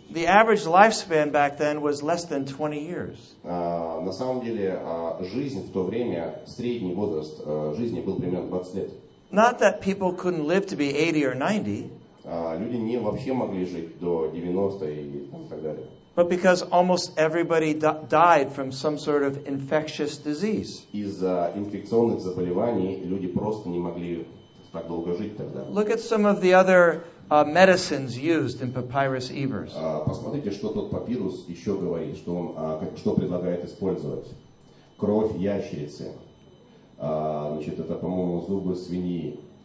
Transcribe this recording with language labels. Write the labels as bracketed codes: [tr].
[en] The average lifespan back then was less than 20 years. [ru] На самом деле, жизнь в то время, средний возраст жизни был примерно 20 лет. [en] Not that people couldn't live to be 80 or 90. [ru] Люди не вообще могли жить до 90 и так далее. [en] But because almost everybody died from some sort of infectious disease. [ru] Из-за инфекционных заболеваний люди просто не могли так долго жить тогда. [en] Look at some of the other medicines used in Papyrus Ebers. [ru] Посмотрите, что тот папирус еще говорит, что он что предлагает использовать. Кровь ящерицы. Значит, это, по-моему, зубы свиньи.